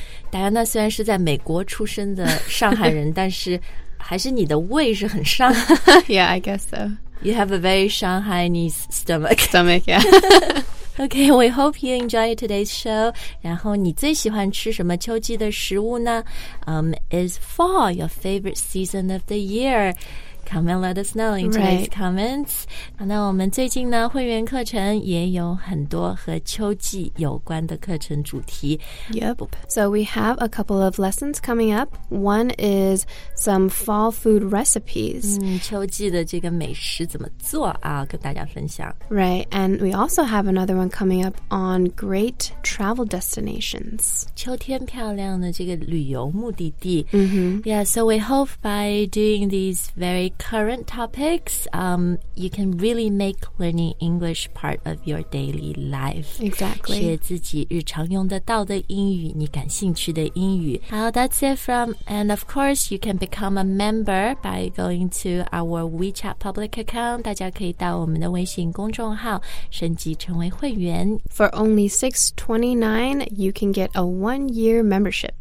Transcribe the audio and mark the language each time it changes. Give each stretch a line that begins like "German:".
Chinese: 戴安娜虽然是在美国出生的上海人，但是还是你的胃是很上。
English: Yeah, I guess so. You have a very Shanghainese stomach. Stomach, yeah. Okay, we hope you enjoy today's show.
Chinese: 然后你最喜欢吃什么秋季的食物呢？
English: Is fall your favorite season of the year? Come and let us know in today's、 comments.
Chinese: 那我们最近呢，会员课程也有很多和秋季有关的课程主题。
English: Yep. So we have a couple of lessons coming up. One is some fall food recipes.
Chinese: 秋季的这个美食怎么做啊？跟大家分享。
English: Right. And we also have another one coming up on great travel destinations.
Chinese: 秋天漂亮的这个旅游目的地。 Mm-hmm.
English: Yeah. So we hope by doing these very current topics, you can really make learning English part of your daily life. Exactly.
Chinese: 学自己日常用得到的英语，你感兴趣的英语。好
English: that's it from, and of course, you can become a member by going to our WeChat public account.
Chinese: 大家可以到我们的微信公众号升级成为会员。
English: For only $6.29, you can get a one-year membership.